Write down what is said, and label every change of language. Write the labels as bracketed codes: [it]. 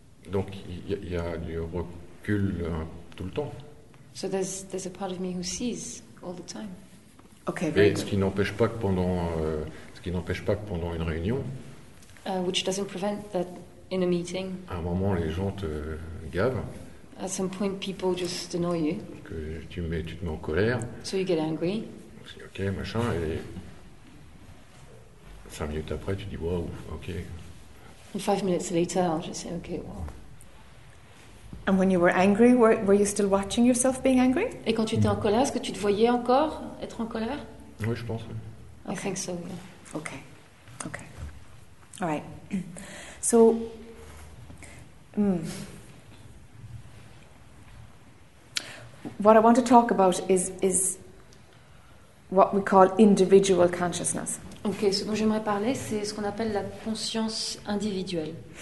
[fr] Donc il y a du recul tout le temps. [en] So there's a part of me who sees all the time. Okay. [fr] Mais ce qui n'empêche pas que pendant une réunion. [en] Which doesn't prevent that in a meeting. [fr] À un moment, les gens te gavent. [en] At some point, people just annoy you. [fr] Que tu te mets en colère. [en] So you get angry. [fr] Ok, machin, et 5 minutes après, tu dis waouh, ok. [en] And 5 minutes later, I'll just say, okay, wow. And when you were angry, were you still watching yourself being angry? [fr] Et quand tu étais en colère, est-ce que tu te voyais encore être en colère? Oui, je pense. [en] Okay. I think so, yeah. Okay. Okay. All right. So, what I want to talk about is what we call individual consciousness. [fr] Okay, ce dont j'aimerais parler, c'est ce qu'on appelle la conscience individuelle.